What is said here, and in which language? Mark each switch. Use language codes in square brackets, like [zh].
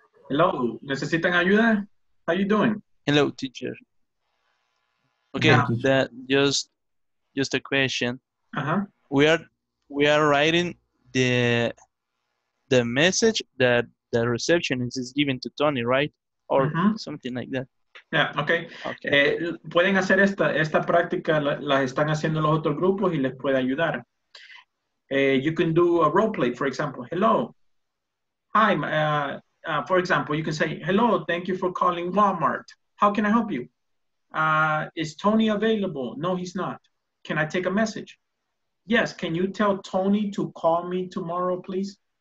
[en] Hello, [es] necesitan ayuda? [en] How you doing? Hello, teacher. Okay, that just a question. Uh-huh. We are writing the message that the receptionist is giving to Tony, right? Or something like that. Yeah, okay. [es] Pueden hacer esta práctica, las están haciendo los otros grupos y les puede ayudar. [en] You can do a role play, for example. Hello. Hi, for example, you can say, hello, thank you for calling Walmart. How can I help you? Is Tony available? No, he's not. Can I take a message? Yes, can you tell Tony to call me tomorrow, please?